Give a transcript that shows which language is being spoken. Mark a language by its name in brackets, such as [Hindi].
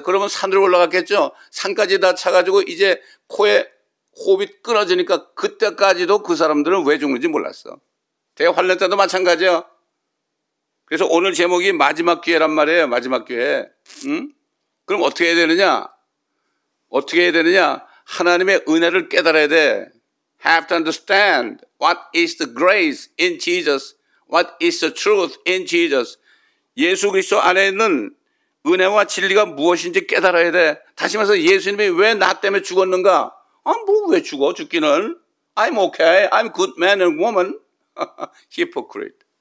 [Korean] 그러면 산으로 올라갔겠죠? 산까지 다 차가지고 이제 코에 호흡이 끊어지니까 그때까지도 그 사람들은 왜 죽는지 몰랐어. 대환란 때도 마찬가지야. 그래서 오늘 제목이 마지막 기회란 말이에요. 마지막 기회. 응? 그럼 어떻게 해야 되느냐? 어떻게 해야 되느냐? 하나님의 은혜를 깨달아야 돼. [English] Have to understand what is the grace in Jesus. What is the truth in Jesus. [Korean] 예수 그리스도 안에 있는 은혜와 진리가 무엇인지 깨달아야 돼. 다시 말해서 예수님이 왜 나 때문에 죽었는가? 아, 뭐 왜 죽어? 죽기는. [English] I'm okay. I'm good man and woman. Hypocrite.